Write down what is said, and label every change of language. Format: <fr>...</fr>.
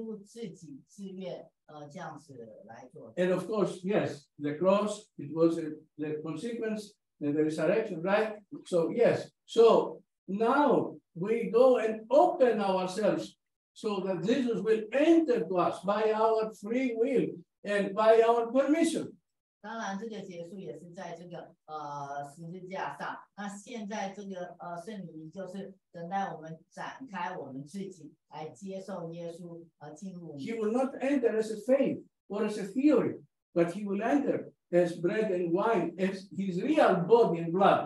<zh>绝非是这个犹大的关系，或是十字架，而是耶稣基督自己自愿降死来做的。</zh> <en>And of course, yes, the cross, it was the consequence, the resurrection, right? So, yes. So now we go and open ourselves so that Jesus will enter to us by our free will and by our permission.</en> <zh>当然，这个结束也是在这个圣礼仪，就是等待我们展开我们自己来接受耶稣而进入。</zh> <en>He will not enter as a faith or as a theory, but he will enter as bread and wine, as his real body and blood.</en>